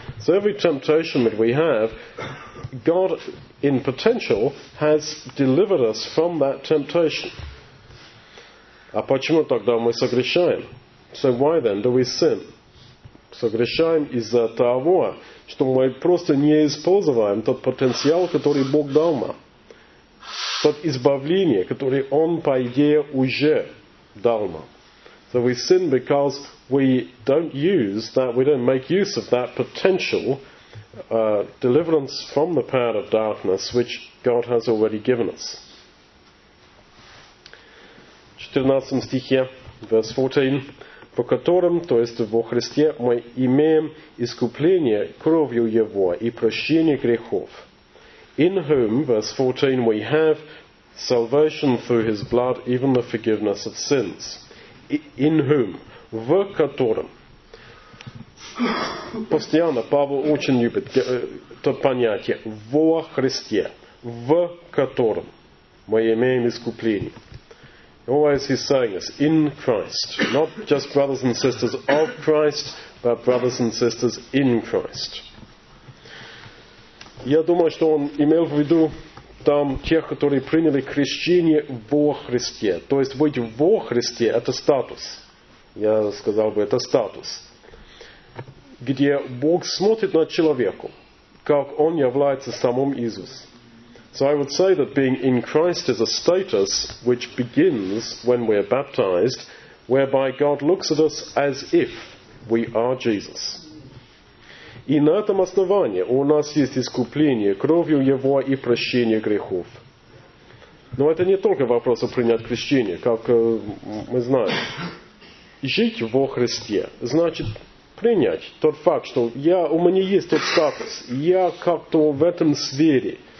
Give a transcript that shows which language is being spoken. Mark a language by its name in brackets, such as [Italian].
[English] So every temptation that we have, God, in potential, has delivered us from that temptation. [Russian] А почему тогда мы согрешаем? [English] So why then do we sin? [Russian] Согрешаем из-за того, что мы просто не используем тот потенциал, который Бог дал нам. Тот избавление, которое Он, по идее, уже дал нам. [English] So we sin because we don't make use of that potential deliverance from the power of darkness which God has already given us. [Russian] 14 стихе, [English] verse 14, [Russian] по которым, то есть во Христе, мы имеем искупление кровью Его и прощение грехов. [English] In whom, verse 14, we have salvation through His blood, even the forgiveness of sins. In whom? [Russian] В котором. Постоянно Павел очень любит то понятие «во Христе», «в котором мы имеем искупление». [English] Always he's saying this, in Christ. Not just brothers and sisters of Christ, but brothers and sisters in Christ. [Russian] Я думаю, что он имел в виду там тех, которые приняли крещение во Христе. То есть быть во Христе – это статус. Я сказал бы, это статус. Где Бог смотрит на человека, как он является самим Иисусом. So I would say that being in Christ is a status which begins when we are baptized, whereby God looks at us as if we are Jesus. И на этом основании у нас есть искупление кровью Его и прощение грехов. Но это не только вопрос о принять крещение, как мы знаем. Жить во Христе значит принять тот факт, что у меня есть тот статус, я как-то в этом сфере.